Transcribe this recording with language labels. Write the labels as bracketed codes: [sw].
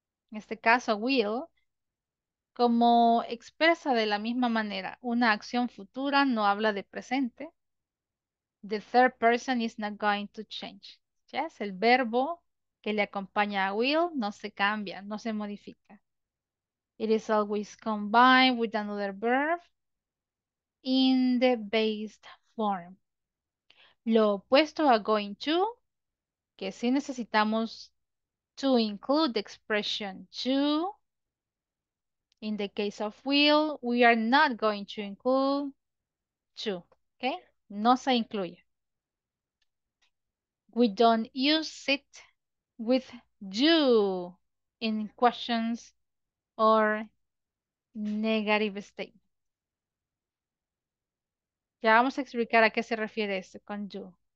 [es] En este caso, will, como expresa de la misma manera una acción futura, no habla de presente. [en] The third person is not going to change. [es] Yes, el verbo que le acompaña a will, no se cambia, no se modifica. [en] It is always combined with another verb in the based form. [es] Lo opuesto a [en] going to, [es] que sí necesitamos [en] to include the expression to, in the case of will, we are not going to include to, okay? [es] No se incluye. [en] We don't use it with do in questions or negative statement. [es] Ya vamos a explicar a qué se refiere esto con do.